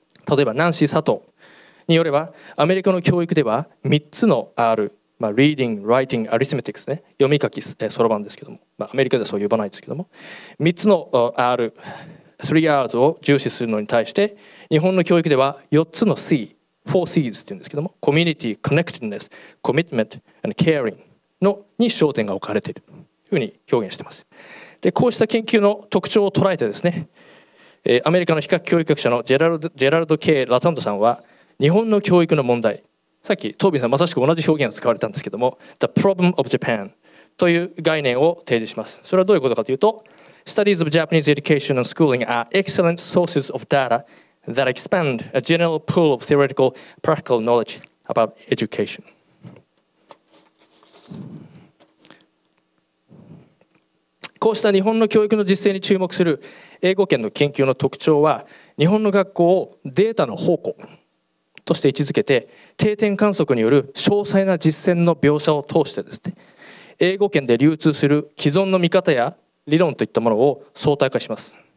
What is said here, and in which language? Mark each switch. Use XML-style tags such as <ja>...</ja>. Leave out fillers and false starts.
<ja>例えばナンシー佐藤によれば、アメリカの教育では3つの R、</ja> <en>Reading, Writing, Arithmetic</en> <ja>ですね、読み書き、そろばんですけども、アメリカではそう呼ばないですけども、3つの R、3Rs を重視するのに対して、日本の教育では4つの C、4Cs って言うんですけども、コミュニティ、コネクティブネス、コミットメント、ケアリングのに焦点が置かれているというふうに表現しています。で、こうした研究の特徴を捉えてですね、アメリカの比較教育学者のジェラルド・K・ラタンドさんは、日本の教育の問題、さっき東美さんまさしく同じ表現を使われたんですけども、</ja> <en>The Problem of Japan</en> <ja>という概念を提示します。それはどういうことかというと、</ja> <en>Studies of Japanese education and schooling are excellent sources of data that expand a general pool of theoretical practical knowledge about education.</en> <ja>こうした日本の教育の実践に注目する英語圏の研究の特徴は、日本の学校をデータの宝庫として位置づけて、定点観測による詳細な実践の描写を通してですね、英語圏で流通する既存の見方や理論といったものを相対化します。</ja>